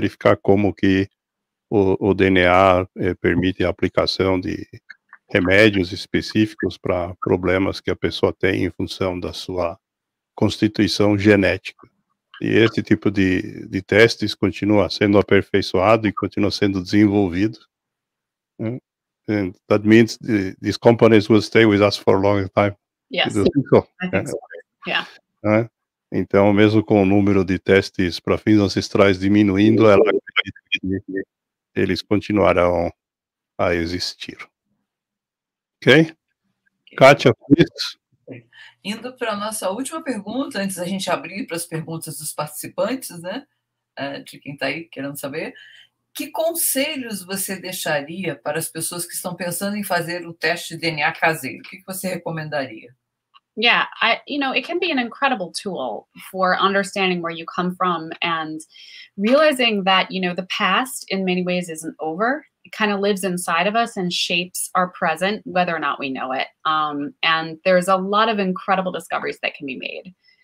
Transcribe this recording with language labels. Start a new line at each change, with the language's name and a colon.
Portuguese: Verificar como que o DNA permite a aplicação de remédios específicos para problemas que a pessoa tem em função da sua constituição genética. E esse tipo de testes continua sendo aperfeiçoado e continua sendo desenvolvido.
English: And that means these companies will stay with us for a long time. Yes, I think so. Yeah.
Portuguese: Então, mesmo com o número de testes para fins ancestrais diminuindo, ela acredita que eles continuarão a existir.
English: Okay. Kátia, please.
Portuguese: Indo para a nossa última pergunta, antes da gente abrir para as perguntas dos participantes, né, de quem está aí querendo saber, que conselhos você deixaria para as pessoas que estão pensando em fazer o teste de DNA caseiro? O que você recomendaria?
English: Yeah, it can be an incredible tool for understanding where you come from and realizing that, you know, the past in many ways isn't over. Kind of lives inside of us and shapes our present, whether or not we know it. And there's a lot of incredible discoveries that can be made.